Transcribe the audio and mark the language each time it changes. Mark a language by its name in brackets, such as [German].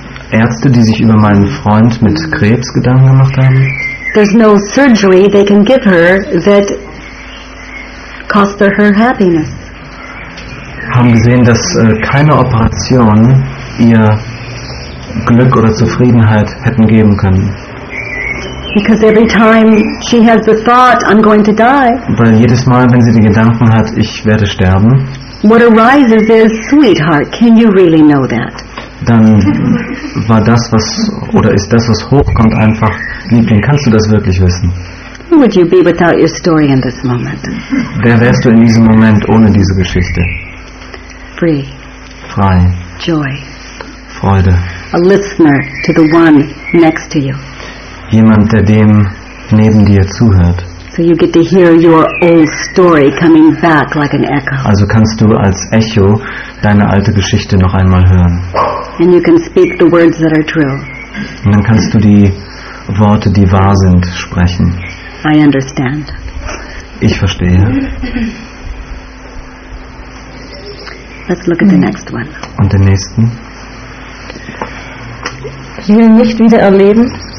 [German] Ärzte, die sich über meinen Freund mit Krebs Gedanken gemacht haben. [English] There's no surgery they can give her that costs her happiness. [German] Haben gesehen, dass keine Operation ihr Glück oder Zufriedenheit hätten geben können. [English] Because every time she has the thought, I'm going to die. [German] Weil jedes Mal, wenn sie den Gedanken hat, ich werde sterben. [English] What arises is, sweetheart, can you really know that? [German] Dann war das, was oder ist das, was hochkommt, einfach Liebling, kannst du das wirklich wissen? [English] Who would you be without your story in this moment? [German] Wer wärst du in diesem Moment ohne diese Geschichte? [English] Free. [German] Frei. [English] Joy. [German] Freude. [English] A listener to the one next to you. [German] Jemand, der dem neben dir zuhört. [English] So you get to hear your old story coming back like an echo. [German] Also kannst du als Echo deine alte Geschichte noch einmal hören. [English] And you can speak the words that are true. [German] Und dann kannst du die Worte, die wahr sind, sprechen. [English] I understand. [German] Ich verstehe. [English] Let's look at the next one. [German] Und den nächsten. Ich will nicht wieder erleben.